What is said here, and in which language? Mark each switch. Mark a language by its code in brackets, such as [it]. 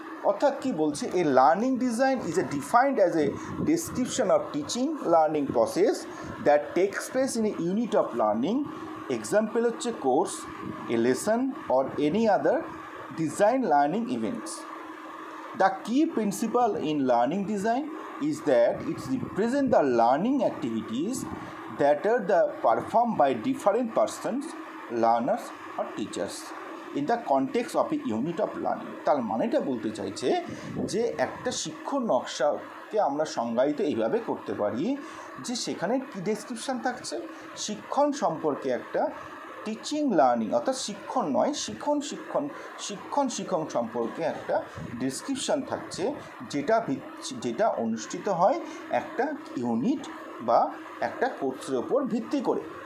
[bn] অর্থাৎ কি বলছে, [en] A learning design is a defined as a description of teaching learning process that take place in a unit of learning. Example [bn] হচ্ছে [en] Course, a lesson or any other design learning events. The key principle in learning design is that it represents the learning activities that are performed by different persons, learners or teachers. In the context of a unit of learning. [bn] তার মানেটা বলতে চাইছে যে একটা শিক্ষণ নকশাকে আমরা সংজ্ঞায়িত এইভাবে করতে পারি যে সেখানে কী ডেসক্রিপশান থাকছে, শিক্ষণ সম্পর্কে একটা টিচিং লার্নিং অর্থাৎ শিক্ষণ নয় শিখন শিক্ষণ শিক্ষণ শিখন সম্পর্কে একটা ডিসক্রিপশান থাকছে যেটা যেটা অনুষ্ঠিত হয় একটা ইউনিট বা একটা কোর্সের ওপর ভিত্তি করে।